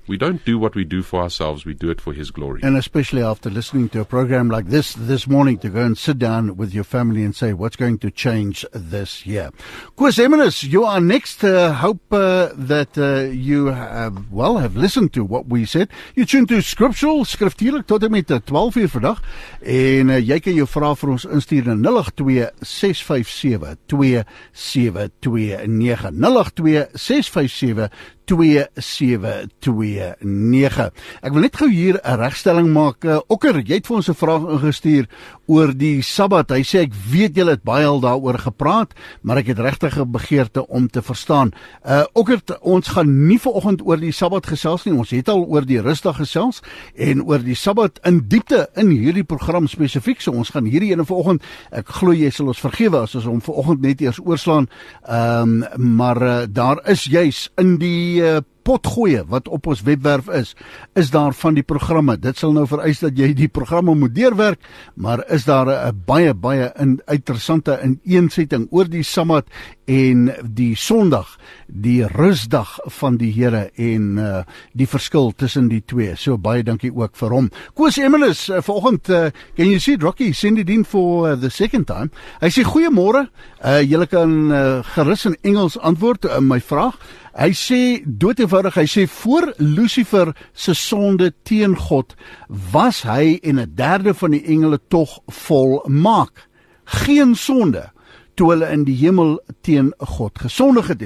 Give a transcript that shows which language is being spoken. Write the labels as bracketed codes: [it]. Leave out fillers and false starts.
[en] We don't do what we do for ourselves, we do it for his glory. And especially after listening to a program like this morning, to go and sit down with your family and say, what's going to change this year? Quis Eminis, you are next. Hope that you have, well, have listened to what we said. You tune to Scriptural, [af] Skriftuurlijk, tot en met 12 uur vandag. En jy kan jou vraag vir ons instuur na 082-657-2729. 082-657-2729. Ek wil net gou hier 'n regstelling maak. Okker, jy het vir ons 'n vraag ingestuur oor die Sabbat. Hy sê, ek weet julle het baie al daaroor gepraat, maar ek het regtig 'n begeerte om te verstaan. Okker, ons gaan nie vanoggend oor die Sabbat gesels nie. Ons het al oor die rustdag gesels en oor die Sabbat in diepte in hierdie program spesifiek. So ons gaan hierdie ene vanoggend, ek glo jy sal ons vergewe as ons hom vanoggend net eers oorslaan. Daar is juis in die potgooie wat op ons webwerf is daar van die programme. Dit sal nou vereis dat jy die programme moet deurwerk, maar is daar 'n baie, baie interessante ineensetting oor die Sabbat en die Sondag, die rusdag van die Here en die verskil tussen die twee. So baie dankie ook vir hom. [en] Koos Eminis, vanoggend, can you see Rocky send it in for the second time? [af] Hy sê, goeiemôre, julle kan gerus in Engels antwoord my vraag. Hy sê, dood eenvoudig, hy sê, voor Lucifer se sonde teen God, was hy en 'n derde van die engele tog volmaak. Geen sonde, toe hulle in die hemel teen God gesondig het.